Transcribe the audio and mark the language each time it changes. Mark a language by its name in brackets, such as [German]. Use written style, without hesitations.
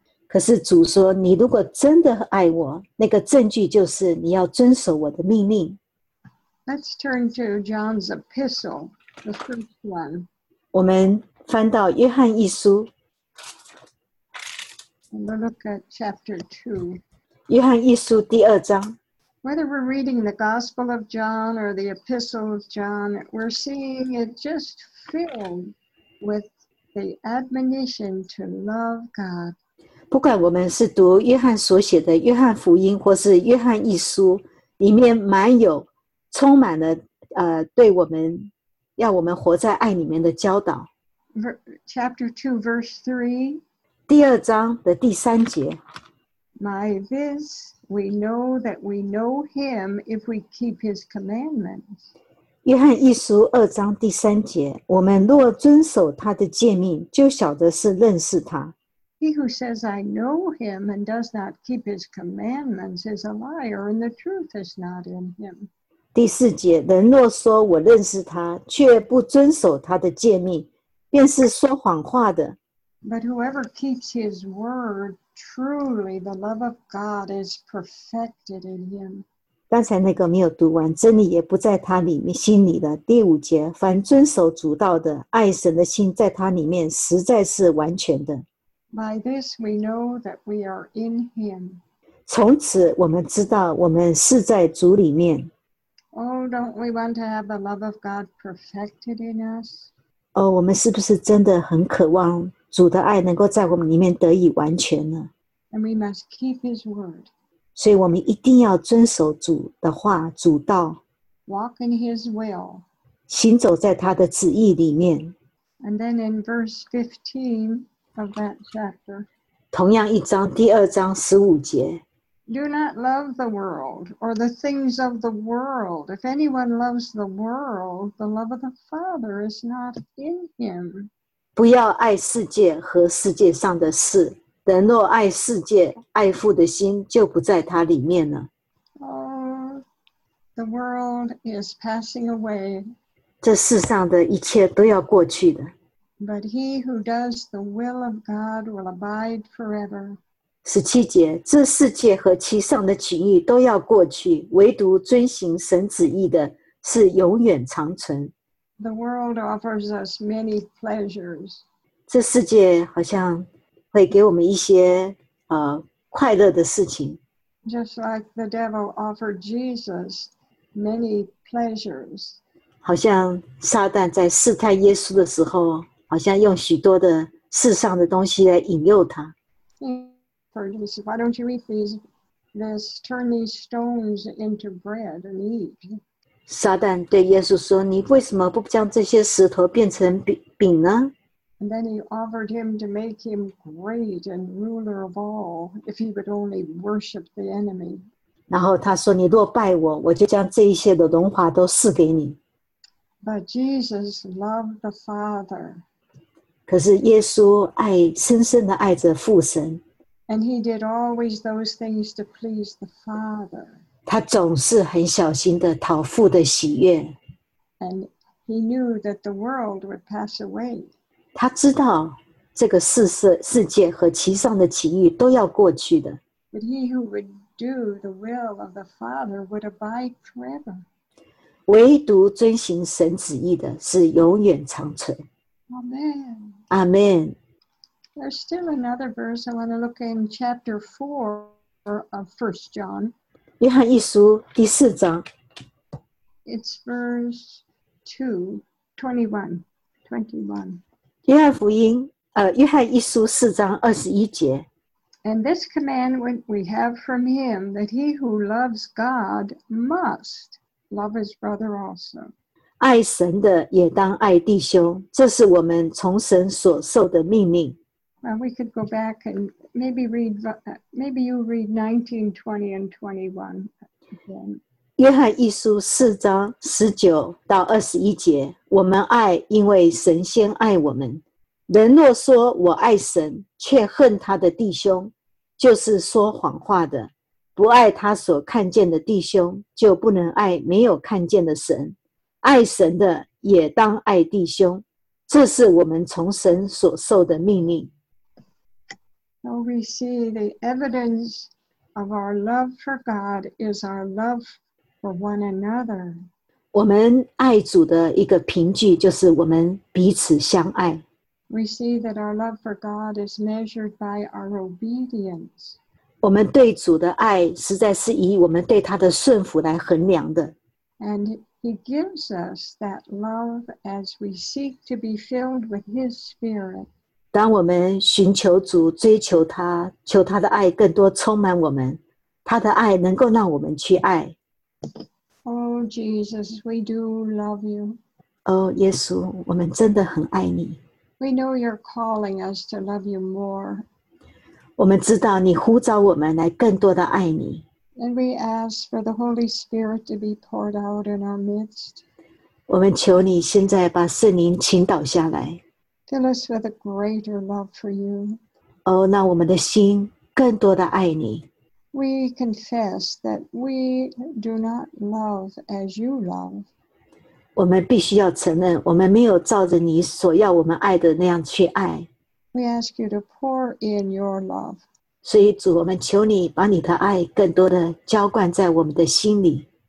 [Chinese] 可是主说，你如果真的爱我，那个证据就是你要遵守我的命令。 [English] Let's turn to John's epistle, the first one. [Chinese] 我们翻到约翰一书。 [English] And we'll look at chapter 2. [Chinese] 约翰一书第二章。 [English] Whether we're reading the Gospel of John or the Epistle of John, we're seeing it just filled with the admonition to love God. [Chinese] 不管我们是读约翰所写的约翰福音或是约翰一书，里面满有充满了对我们要我们活在爱里面的教导。 [English] Chapter 2, verse 3. [Chinese] 第二章的第三节。 [English] My this, we know that we know him if we keep his commandments. [Chinese] 约翰一书二章第三节，我们若遵守他的诫命，就晓得是认识他。 [English] He who says I know him and does not keep his commandments is a liar, and the truth is not in him. [Chinese] 第四节，人若说我认识他，却不遵守他的诫命，便是说谎话的。 [English] But whoever keeps his word, truly the love of God is perfected in him. [Chinese] 刚才那个没有读完，真理也不在他里面心里了。第五节，凡遵守主道的，爱神的心在他里面实在是完全的。 [English] By this we know that we are in him. [Chinese] 从此我们知道我们是在主里面。 [English] Oh, don't we want to have the love of God perfected in us? [Chinese] 哦，我们是不是真的很渴望主的爱能够在我们里面得以完全呢？ [English] And we must keep his word. [Chinese] 所以我们一定要遵守主的话，主道。 [English] Walk in His will. [Chinese] 行走在他的旨意里面。 [English] And then in verse 15 of that chapter. [Chinese] 同样一章，第二章十五节。 [English] Do not love the world or the things of the world. If anyone loves the world, the love of the Father is not in him. [Chinese] 不要爱世界和世界上的事。人若爱世界，爱父的心就不在他里面了。 [English] The world is passing away. [Chinese] 这世上的一切都要过去的。 [English] But he who does the will of God will abide forever. [Chinese] 十七节，这世界和其上的情欲都要过去，唯独遵行神旨意的是永远长存。 [English] The world offers us many pleasures. [Chinese] 这世界好像会给我们一些快乐的事情。 [English] Just like the devil offered Jesus many pleasures. [Chinese] 好像撒旦在试探耶稣的时候，好像用许多的世上的东西来引诱他。 [English] Why don't you eat this? Turn these stones into bread and eat. [Chinese] 撒旦对耶稣说，你为什么不将这些石头变成 饼呢？ [English] And then he offered him to make him great and ruler of all if he would only worship the enemy. [Chinese] 然后他说，你若拜我，我就将这一切的荣华都赐给你。 [English] But Jesus loved the Father. [Chinese] 可是耶稣爱，深深地爱着父神。 [English] And he did always those things to please the Father. [Chinese] 他总是很小心地讨父的喜悦。 [English] And he knew that the world would pass away. [Chinese] 他知道这个世界和其上的情欲都要过去的。 [English] But he who would do the will of the Father would abide forever. [Chinese] 唯独遵行神旨意的是永远长存。 [English] Amen. Amen. There's still another verse I want to look in chapter 4 of 1 John. [Chinese] 约翰一书第四章。 [English] It's verse 2:21. [Chinese] 约翰福音，约翰一书四章二十一节。 [English] And this command we have from him, that he who loves God must love his brother also. [Chinese] 爱神的也当爱弟兄，这是我们从神所受的命令。 [English] Well, we could go back and maybe you read 19, 20, and 21. [Chinese] 约翰一书四章十九到二十一节。我们爱，因为神先爱我们。人若说我爱神，却恨他的弟兄，就是说谎话的。不爱他所看见的弟兄，就不能爱没有看见的神。爱神的也当爱弟兄，这是我们从神所受的命令。 [English] So we see the evidence of our love for God is our love for one another. [Chinese] 我们爱主的一个凭据就是我们彼此相爱。 [English] We see that our love for God is measured by our obedience. [Chinese] 我们对主的爱实在是以我们对他的顺服来衡量的。 [English] And he gives us that love as we seek to be filled with his spirit. [Chinese] 当我们寻求主，追求他，求他的爱更多充满我们，他的爱能够让我们去爱。 [English] Oh, Jesus, we do love you. [Chinese] Oh, 耶稣，我们真的很爱你。 [English] We know you're calling us to love you more. [Chinese] 我们知道你呼召我们来更多的爱你。 [English] And we ask for the Holy Spirit to be poured out in our midst. [Chinese] 我们求你现在把圣灵倾倒下来。 [English] Fill us with a greater love for you. [Chinese] Oh, 让我们的心更多的爱你。 [English] We confess that we do not love as you love. [Chinese] 我们必须要承认，我们没有照着你所要我们爱的那样去爱。 [English] We ask you to pour in your love. [Chinese] 所以主，我们求你把你的爱更多的浇灌在我们的心里。